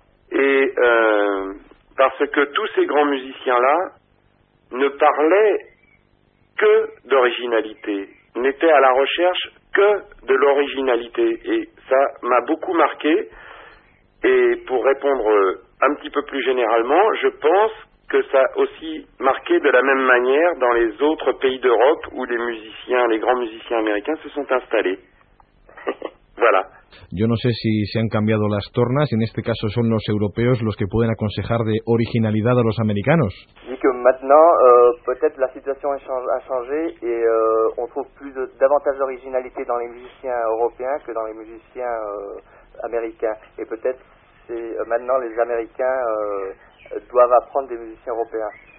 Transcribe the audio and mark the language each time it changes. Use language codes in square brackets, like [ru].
[fr] Et... parce que tous ces grands musiciens-là ne parlaient que d'originalité, n'étaient à la recherche que de l'originalité. Et ça m'a beaucoup marqué. Et pour répondre un petit peu plus généralement, je pense que ça a aussi marqué de la même manière dans les autres pays d'Europe où les musiciens, les grands musiciens américains se sont installés. Voilà. [es] Yo no sé si se han cambiado las tornas, en este caso son los europeos los que pueden aconsejar de originalidad a los americanos. Dice que [fr] maintenant, peut-être la situación a changé et on trouve plus davantage d'originalité dans les musiciens européens que dans les musiciens américains. Et peut-être c'est maintenant les américains doivent apprendre des musiciens européens.